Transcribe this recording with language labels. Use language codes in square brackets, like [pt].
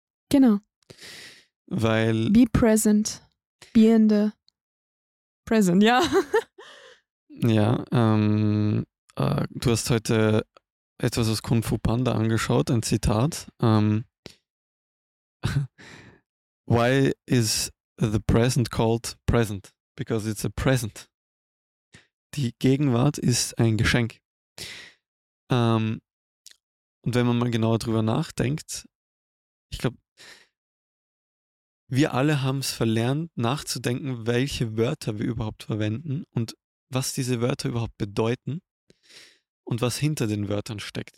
[de] Genau. Weil... [en] Be present. Be in the present, ja. [de] Ja, du hast heute etwas aus Kung Fu Panda angeschaut, ein Zitat. [en] Why is the present called present? Because it's a present. [de] Die Gegenwart ist ein Geschenk. Und wenn man mal genauer drüber nachdenkt, ich glaube, wir alle haben es verlernt, nachzudenken, welche Wörter wir überhaupt verwenden und was diese Wörter überhaupt bedeuten und was hinter den Wörtern steckt.